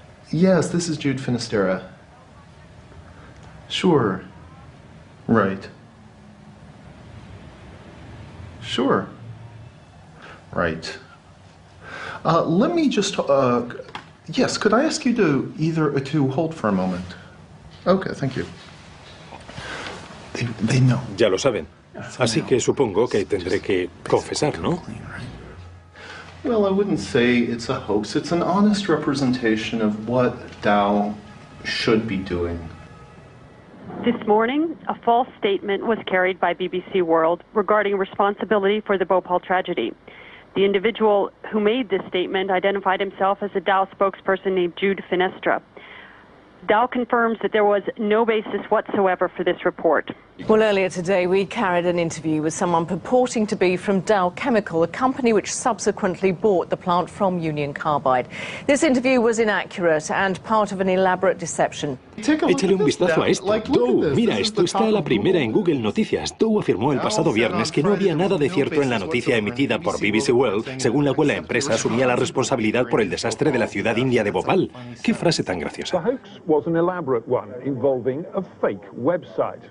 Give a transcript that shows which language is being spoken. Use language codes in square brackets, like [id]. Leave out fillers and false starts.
[en] Yes, this is Jude Finisterre. Sure. Right. Sure. Right. Let me just, yes, could I ask you to either hold for a moment? Okay, thank you. They know. [es] Ya lo saben. Así que supongo que tendré que confesar, ¿no? [en] Well, I wouldn't say it's a hoax. It's an honest representation of what Dow should be doing. This morning, a false statement was carried by BBC World regarding responsibility for the Bhopal tragedy. The individual who made this statement identified himself as a Dow spokesperson named Jude Finestra. Dow confirms that there was no basis whatsoever for this report. Well, earlier today, we carried an interview with someone purporting to be from Dow Chemical, a company which subsequently bought the plant from Union Carbide. This interview was inaccurate and part of an elaborate deception. [es] Échale un vistazo a esto. Dow, mira, esto está a la primera en Google Noticias. Dow afirmó el pasado viernes que no había nada de cierto en la noticia emitida por BBC World, según la cual la empresa asumía la responsabilidad por el desastre de la ciudad india de Bhopal. ¡Qué frase tan graciosa! [en] The hoax was an elaborate one involving a fake website.